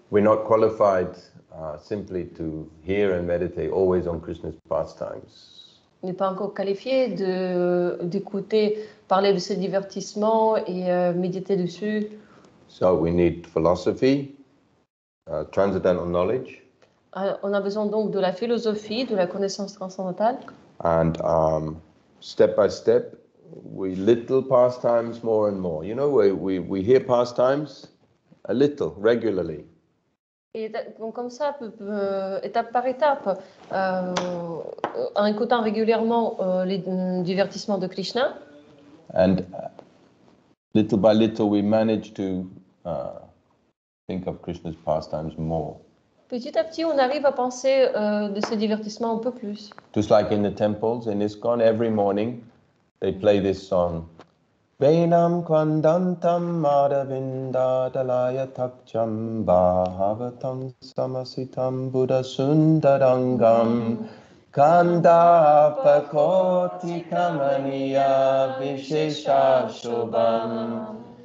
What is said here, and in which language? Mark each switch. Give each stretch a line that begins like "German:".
English: We're not qualified simply to hear and meditate always on Krishna's pastimes.
French: On n'est pas encore qualifié d'écouter parler de ces divertissements et méditer dessus.
English: So we need philosophy, transcendental knowledge.
French: Alors, on a besoin donc de la philosophie, de la connaissance transcendantale.
English: And step by step, we little pastimes more and more. You know, we hear pastimes a little, regularly.
French: Et donc comme ça, étape par étape, en écoutant régulièrement les divertissements de Krishna.
English: And little by little, we manage to think of Krishna's pastimes more.
French: Petit à petit, on arrive à penser de ces divertissements un peu plus.
English: Just like in the temples, in ISKCON, every morning, they play this song.
Sanskrit: Venam kvandantam madhavinda dalaya takcham bahavatam samasitam buddha sundarangam kandapakotikamaniya visheshashobam